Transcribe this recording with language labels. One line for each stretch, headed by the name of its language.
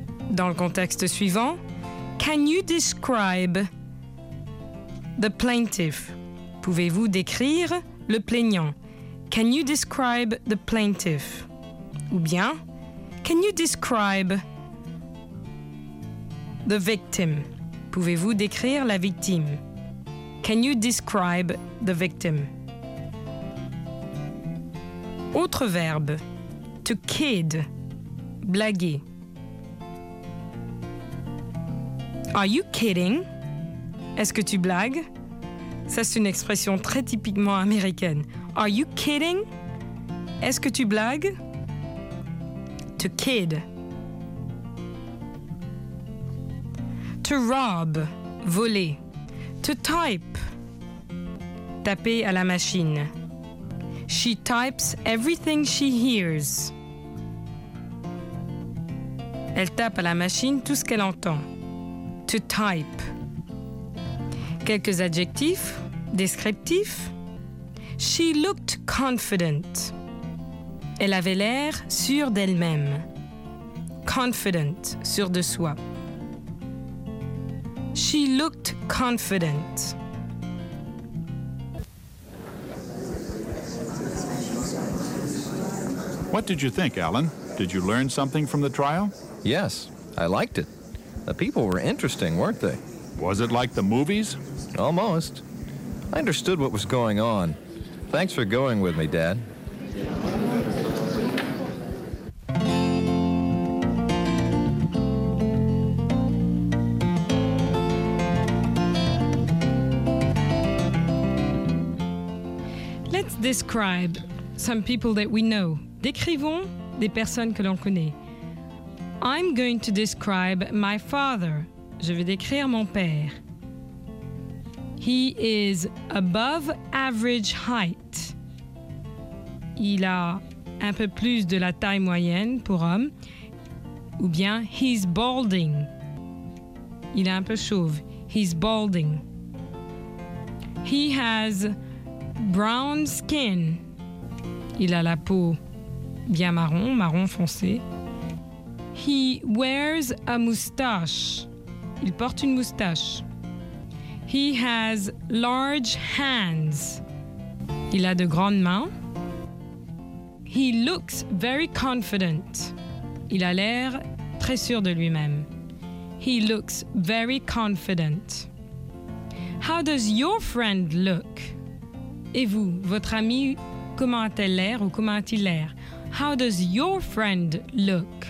French: Dans le contexte suivant,
English: can you describe the plaintiff?
French: Pouvez-vous décrire le plaignant?
English: Can you describe the plaintiff?
French: Ou bien,
English: can you describe the victim?
French: Pouvez-vous décrire la victime?
English: Can you describe the victim?
French: Autre verbe,
English: to kid,
French: blaguer.
English: Are you kidding?
French: Est-ce que tu blagues? Ça, c'est une expression très typiquement américaine.
English: Are you kidding?
French: Est-ce que tu blagues?
English: To kid. To rob, voler. To type,
French: taper à la machine.
English: She types everything she hears.
French: Elle tape à la machine tout ce qu'elle entend.
English: To type.
French: Quelques adjectifs descriptifs.
English: She looked confident.
French: Elle avait l'air sûre d'elle-même. Confident, sûre de soi.
English: She looked confident. What did you think, Alan? Did you learn something from the trial? Yes, I liked it. The people were interesting, weren't they? Was it like the movies? Almost. I understood what was going on. Thanks for going with me, Dad. Let's describe some people that we know.
French: Décrivons des personnes que l'on connaît.
English: I'm going to describe my father.
French: Je vais décrire mon père.
English: He is above average height.
French: Il a un peu plus de la taille moyenne pour homme. Ou bien,
English: he's balding.
French: Il est un peu chauve.
English: He's balding. He has brown skin.
French: Il a la peau bien marron, marron foncé.
English: He wears a moustache.
French: Il porte une moustache.
English: He has large hands.
French: Il a de grandes mains.
English: He looks very confident.
French: Il a l'air très sûr de lui-même.
English: He looks very confident. How does your friend look?
French: Et vous, votre ami, comment a-t-elle l'air ou comment a-t-il l'air?
English: How does your friend look?